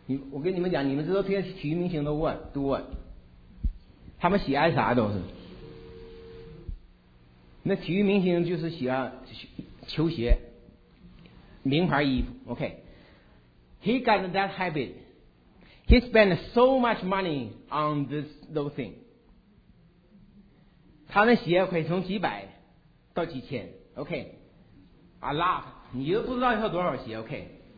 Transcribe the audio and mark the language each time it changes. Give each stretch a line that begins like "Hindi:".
Chinese: 我跟你们讲，你们知道这些体育明星都
English: what? Do what?
Chinese: 他们喜爱啥都是，那体育明星就是喜欢球鞋名牌衣服 OK.
English: He got that habit. He spent so much money on those things.
Chinese: 他的鞋可以从几百到几千 OK.
English: A lot.
Chinese: 你又不知道有多少鞋 OK.